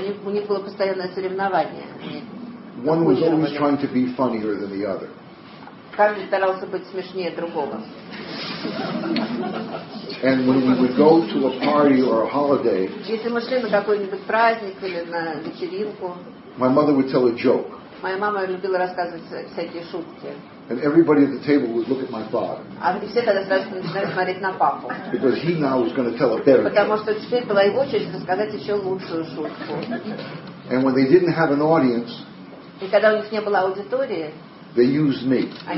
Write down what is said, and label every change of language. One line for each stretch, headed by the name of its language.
Russian: У них было постоянное соревнование.
English: One was always trying to be funnier than the other.
Russian: Каждый старался быть смешнее другого.
English: And when we would go to a party or a holiday,
Russian: если мы шли на какой-нибудь праздник или на вечеринку,
English: my mother would tell a joke.
Russian: Моя мама любила рассказывать всякие шутки.
English: And everybody at the table would look at my father. Because he now was going to tell a better joke. And when they didn't have an audience, they used me.